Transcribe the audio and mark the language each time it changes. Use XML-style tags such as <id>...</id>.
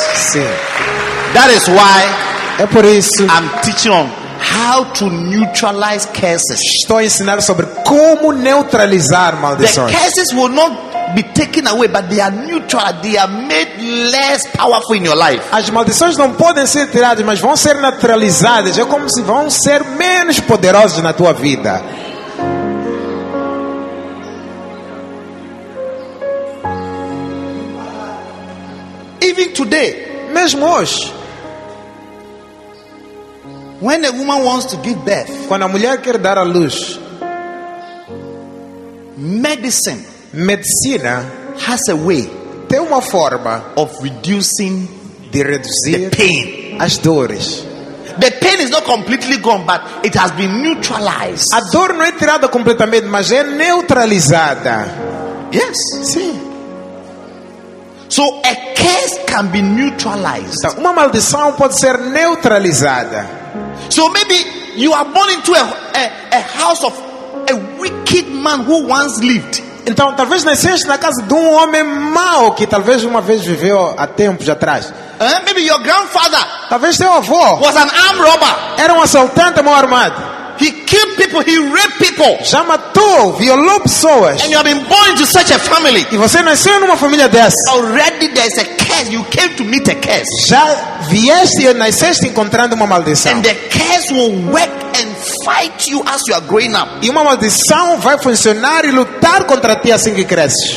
<pt>Sim.</pt> <en>That is why.</en> <pt>É por isso.</pt> <en>I'm teaching on how to neutralize curses.</en> <pt>Estou a ensinar sobre como neutralizar maldições.</pt> <en>The curses will not be taken away, but they are neutral. They are made less powerful in your life.</en> <pt>As maldições não podem ser tiradas, mas vão ser neutralizadas. É como se vão ser menos poderosas na tua vida.</pt> <en>Even today,</en> <pt>mesmo hoje,</pt> <en>when a woman wants to give birth,</en> <pt>quando a mulher quer dar à luz,</pt> <en>medicine.</en> <pt>Medicina</pt> <en>has a way,</en> <pt>tem uma forma</pt> <en>of reducing,</en> <pt>de reduzir</pt> <en>the pain,</en> <pt>as dores.</pt> <en>The pain is not completely gone, but it has been neutralized.</en> <pt>A dor não é tirada completamente, mas é neutralizada.</pt> <en>Yes.</en> <pt>Sim.</pt> <en>So a curse can be neutralized.</en> <pt>Então, uma maldição pode ser neutralizada.</pt> <en>So maybe you are born into a house of a wicked man who once lived.</en> <pt>Então, talvez nasceste na casa de um homem mau que talvez uma vez viveu há tempos atrás.</pt> <en>Maybe your grandfather.</en> <pt>Talvez seu avô.</pt> <en>Was an armed robber.</en> <pt>Era um assaltante mal armado.</pt> <en>He killed people. He raped people.</en> <pt>Já matou, violou pessoas.</pt> <en>And you have been born into such a family.</en> <pt>E você nasceu numa família dessa.</pt> <en>Already there is a curse. You came to meet a curse.</en> <pt>Já vieste e nasceste encontrando uma maldição.</pt> <en>And the curse will work and fight you as you are growing up.</en> <pt>E uma maldição vai funcionar e lutar contra ti assim que cresces.</pt>